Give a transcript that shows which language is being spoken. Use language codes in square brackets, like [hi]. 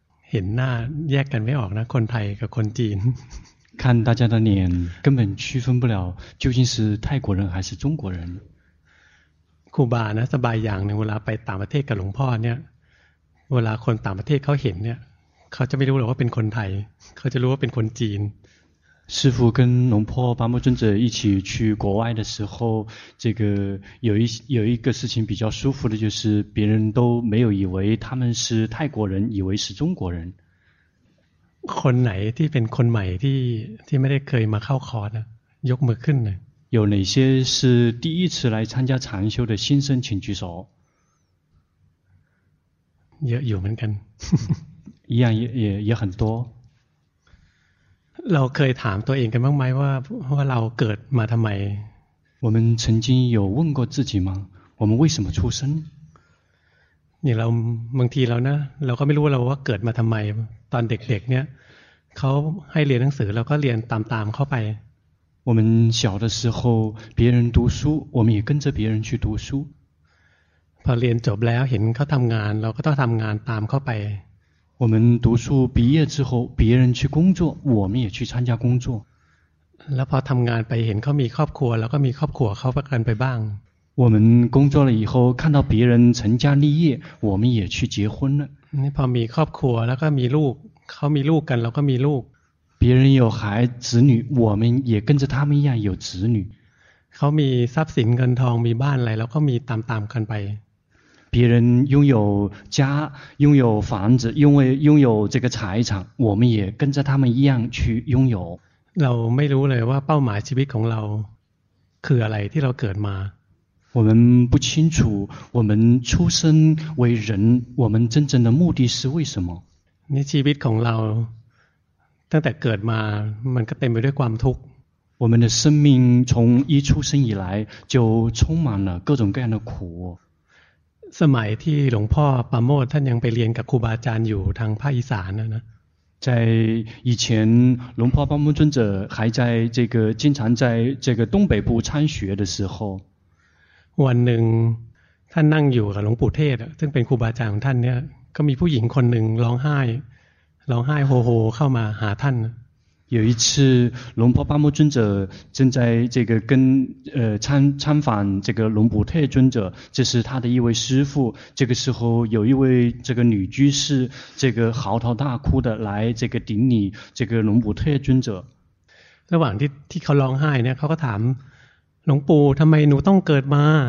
[th] เห็นหน้าแยกกันไม่ออกนะคนไทยกับคนจีน [zh] 看大家的脸根本区分不了究竟是泰国人还是中国人 [th] ครูบานะสบายอย่างในเวลาไปต่างประเทศกับหลวงพ่อเนี่ยเวลาคนต่างประเทศเขาเห็นเนี่ยเขาจะไม่รู้หรอกว่าเป็นคนไทยเขาจะรู้ว่าเป็นคนจีน [zh] 师父跟龙婆巴木尊者一起去国外的时候，这个有一个事情比较舒服的，就是别人都没有以为他们是泰国人，以为是中国人。 [th] คนไหนที่เป็นคนใหม่ที่ไม่ได้เคยมาเข้าคอร์สยกมือขึ้นหน่อย [zh] 有哪些是第一次来参加禅修的新生，请举手。 [th] เยอะอยู่เหมือนกัน [zh] 一样也很多。 [th] เราเคยถามตัวเองกันบ้างไหมว่าเราเกิดมาทำไม [zh] 我们曾经有问过自己吗我们为什么出生 [th] นี่เราบางทีเรานะเราก็ไม่รู้ว่าเกิดมาทำไมตอนเด็กๆเนี่ยเขาให้เรียนหนังสือเราก็เรียนตามๆเข้าไป [zh] 我们小的时候别人读书我们也跟着别人去读书 [th] พอเรียนจบแล้วเห็นเขาทำงานเราก็ต้องทำงานตามเข้าไป [zh] 我们读书毕业之后别人去工作我们也去参加工作 [th] แล้วพอทำงานไปเห็นเขามีครอบครัวแล้วก็มีครอบครัวเขาประกันไปบ้าง [zh] 我们工作了以后看到别人成家立业我们也去结婚了 [th] พอมีครอบครัวแล้วก็มีลูกเขามีลูกกันเราก็มีลูก [zh] 别人有孩子女我们也跟着他们一样有子女 [th] เขามีทรัพย์สินเงินทองมีบ้านอะไรแล้วก็มีตามๆกันไป [zh] 别人拥有家拥有房子因为拥有这个财产我们也跟着他们一样去拥有 [th] เราไม่รู้เลยว่าเป้าหมายชีวิตของเราคืออะไรที่เราเกิดมา [zh] 我们不清楚我们出生为人我们真正的目的是为什么 [th] ในชีวิตของเราตั้งแต่เกิดมามันก็เต็มไปด้วยความทุกข์ [zh] 我们的生命从一出生以来就充满了各种各样的苦 [th] สมัยที่หลวงพ่อปราโมทท่านยังไปเรียนกับครูบาอาจารย์อยู่ทางภาคอีสานนะ ใน [zh] 以前龙婆巴木尊者还在这个经常在这个东北部参学的时候 [th] วันหนึ่งท่านนั่งอยู่กับหลวงปู่เทศซึ่งเป็นครูบาอาจารย์ของท่านเนี่ยก็มีผู้หญิงคนหนึ่งร้องไห้โฮเข้ามาหาท่าน [zh] 有一次龙婆巴木尊者正在这个跟参访这个龙普特尊者这是他的一位师父这个时候有一位这个女居士这个嚎啕大哭的来这个顶礼这个龙普特尊者 [th] ระหว่างที่เขาร้องไห้เนี่ยเขาก็ถามหลวงปู่ทำไมหนูต้องเกิดมา